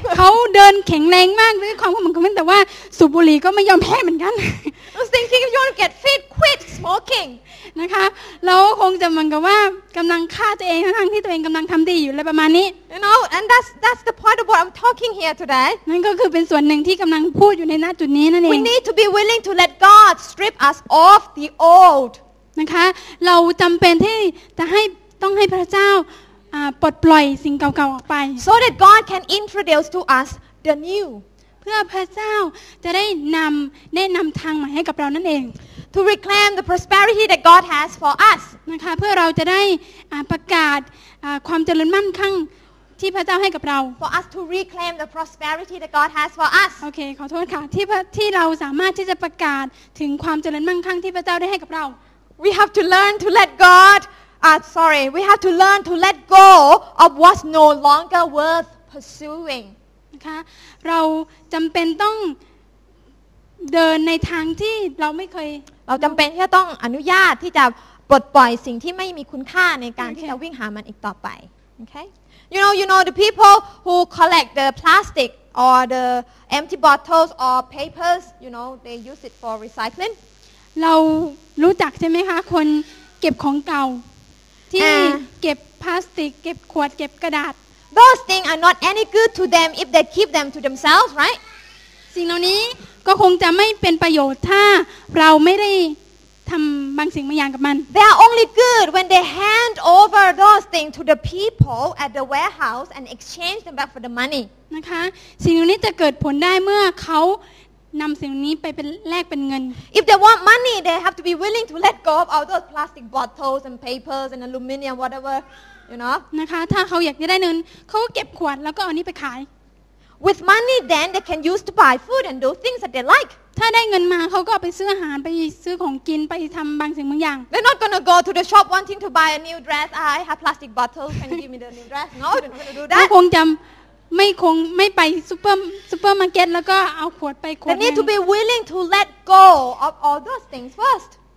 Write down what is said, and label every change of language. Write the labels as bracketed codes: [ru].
[th] เขาเดินแข็งแรงมากด้วยความขมักเขม้งแต่ว่าสูบบุหรี่ก็ไม่ยอมแพ้เหมือนกัน [en] I was thinking if you want to get fit quit smoking [th] นะคะเราคงจะมองกันว่ากำลังฆ่าตัวเองทั้งที่ตัวเองกำลังทำดีอยู่เลยประมาณนี้ [en] You know and that's the part of what I'm talking here today [th] นั่นก็คือเป็นส่วนหนึ่งที่กำลังพูดอยู่ในหน้าจุดนี้นั่นเอง [en] We need to be willing to let God strip us off the old [th] นะคะเราจำเป็นที่จะต้องให้พระเจ้าปลดปล่อยสิ่งเก่าๆออกไป [en] So that God can introduce to us the new [th] เพื่อพระเจ้าจะได้แนะนำทางใหม่ให้กับเรานั่นเอง [en] To reclaim the prosperity that God has for us. [th] นะคะเพื่อเราจะได้ประกาศความเจริญมั่งคั่ง ที่พระเจ้าให้กับเรา [en] for us to reclaim the prosperity that God has for us [th] โอเคขอโทษค่ะที่เราสามารถที่จะประกาศถึงความเจริญมั่งคั่งที่พระเจ้าได้ให้กับเรา [en] we have to learn to let God we have to learn to let go of what's no longer worth pursuing [th] นะคะเราจำเป็นต้องเดินในทางที่เราไม่เคย เราจำเป็นที่จะต้องอนุญาตที่จะปลดปล่อยสิ่งที่ไม่มีคุณค่าในการ [en] okay. [th] ที่จะวิ่งหามันอีกต่อไป [en] okay you know the people who collect the plastic or the empty bottles or papers you know they use it for recycling [th] เรารู้จักใช่ไหมคะคนเก็บของเก่าที่เก็บพลาสติกเก็บขวดเก็บกระดาษ [en] those things are not any good to them if they keep them to themselves right [th] สิ่งเหล่านี้ก็คงจะไม่เป็นประโยชน์ถ้าเราไม่ได้ทำบางสิ่งบางอย่างกับมัน [en] They are only good when they hand over those things to the people at the warehouse and exchange them back for the money [th] นะคะสิ่งนี้จะเกิดผลได้เมื่อเขานำสิ่งนี้ไปเป็นแลกเป็นเงิน [en] If they want money they have to be willing to let go of all those plastic bottles and papers and aluminium whatever you know [th] นะคะถ้าเขาอยากได้เงินเขาก็เก็บขวดแล้วก็เอานี้ไปขาย [en] With money then they can use to buy food and do things that they like. [th] ถ้าได้เงินมาเขาก็ไปซื้ออาหารไปซื้อของกินไปทำบางสิ่งบางอย่าง [en] They're not going to go to the shop wanting to buy a new dress. I have plastic bottles. Can you give me the new dress? No, they're not going to do that. [th] คงจะไม่ไปซูเปอร์มาร์เก็ตแล้วก็เอาขวดไปขวด [en] นึง They need to be willing to let go of all those things first.